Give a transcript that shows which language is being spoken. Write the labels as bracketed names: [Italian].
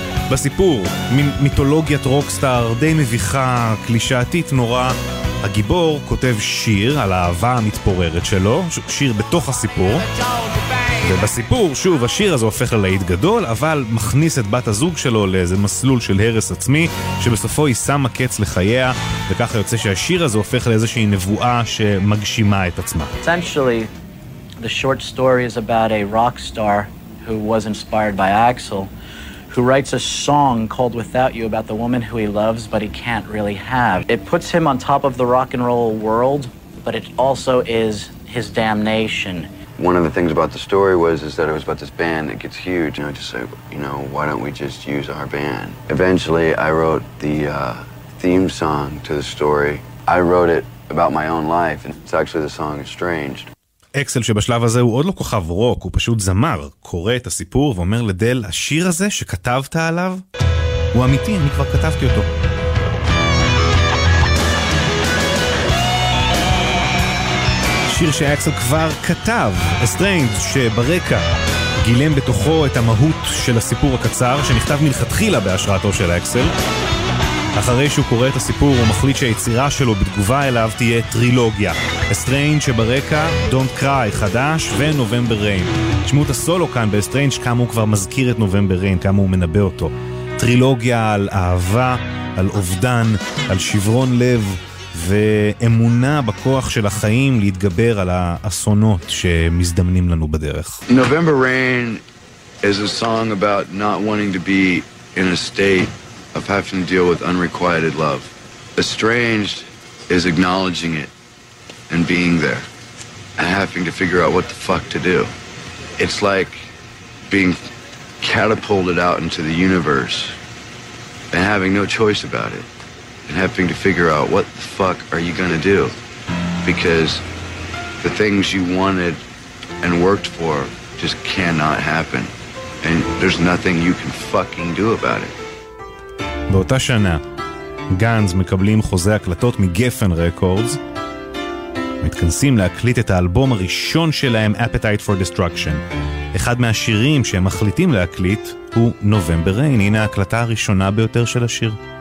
[Hebrew] בסיפור, מיתולוגיית רוקסטאר די מביכה, קלישאתית נורא, הגיבור כותב שיר על האהבה המתפוררת שלו, שיר בתוך הסיפור, ובסיפור, שוב, השיר הזה הופך ללהיט גדול, אבל מכניס את בת הזוג שלו לאיזה מסלול של הרס עצמי, שבסופו היא שמה קץ לחייה, וככה יוצא שהשיר הזה הופך לאיזושהי נבואה שמגשימה את עצמה. [English] Essentially, the short story is about a rock star who was inspired by Axel, who writes a song called Without You about the woman who he loves but he can't really have. It puts him on top of the rock and roll world, but it also is his damnation. One of the things about the story was is that it was about this band that gets huge, and I just said, you know, why don't we just use our band? Eventually, I wrote the theme song to the story. I wrote it about my own life, and it's actually the song Estranged. [Hebrew] אקסל שבשלב הזה הוא עוד לא כוכב רוק, הוא פשוט זמר, קורא את הסיפור ואומר לדל, השיר הזה שכתבת עליו, הוא אמיתי, אני כבר כתבתי אותו. שיר שאקסל כבר כתב, Estranged, שברקע גילם בתוכו את המהות של הסיפור הקצר, שנכתב מלכתחילה בהשראתו של אקסל. אחרי שהוא קורא את הסיפור, הוא מחליט שהיצירה שלו בתגובה אליו תהיה טרילוגיה. Estranged שברקע, Don't Cry, חדש, ו-November Rain. תשמעו את הסולו כאן ב-Estranged, כמה הוא כבר מזכיר את November Rain, כמה הוא מנבא אותו. טרילוגיה על אהבה, על אובדן, על שברון לב, ואמונה בכוח של החיים להתגבר על האסונות שמזדמנים לנו בדרך. [English] November Rain is a song about not wanting to be in a state of having to deal with unrequited love. Estranged is acknowledging it and being there and having to figure out what the fuck to do. It's like being catapulted out into the universe and having no choice about it and having to figure out what the fuck are you gonna do, because the things you wanted and worked for just cannot happen and there's nothing you can fucking do about it. [Hebrew] באותה שנה, גאנז מקבלים חוזה הקלטות מגפן רקורדס, מתכנסים להקליט את האלבום הראשון שלהם, Appetite for Destruction. אחד מהשירים שהם מחליטים להקליט הוא November Rain. הנה ההקלטה הראשונה ביותר של השיר.